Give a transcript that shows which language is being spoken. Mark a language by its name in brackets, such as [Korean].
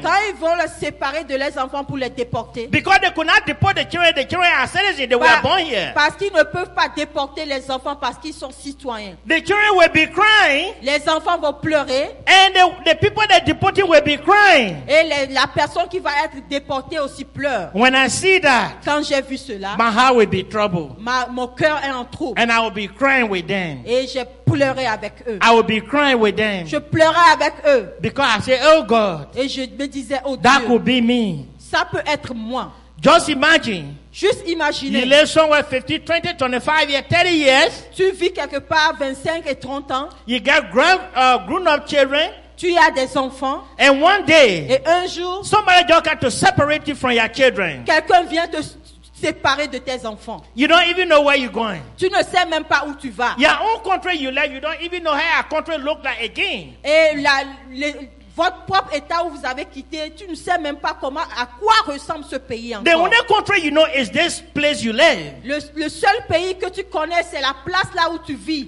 [French] Quand ils vont les séparer de leurs enfants pour les déporter. [English] Because they could not deport the children are citizens, they were born here. [French] Parce qu'ils ne peuvent pas déporter les enfants parce qu'ils sont citoyens. [English] The children will be crying. [French] Les enfants vont pleurer. [English] And the people they deported will be crying. [French] Et la personne qui va être déportée aussi pleure. [English] When I see that. [French] Quand j'ai vu cela. [English] My heart will be troubled. [French] Mon cœur est en trouble. [English] And I will be crying with them. [French] Et je pleurer avec eux. [English] I will be crying with them. [French] Je pleurais avec eux. [English] Because I say, oh God. [French] Et je me disais, oh [English] that [French] Dieu. [English] Could be me. [French] Ça peut être moi. [English] Just imagine. [French] Juste imaginez. [English] You live somewhere 50, 20, 25 years, 30 years. [French] Tu vis quelque part 25 et 30 ans. [English] You got grown-up children. [French] Tu as des enfants. [English] And one day. [French] Et un jour. [English] Somebody just got to separate you from your children. [French] Quelqu'un vient te séparé de tes enfants. [English] You don't even know where you're going. [French] Tu ne sais même pas où tu vas. [English] Your own country you left, you don't even know how your country looks like again. [French] Et votre propre état où vous avez quitté, tu ne sais même pas comment à quoi ressemble ce pays encore. [English] The only country you know is this place you live. [French] Le seul pays que tu connais, c'est la place là où tu vis.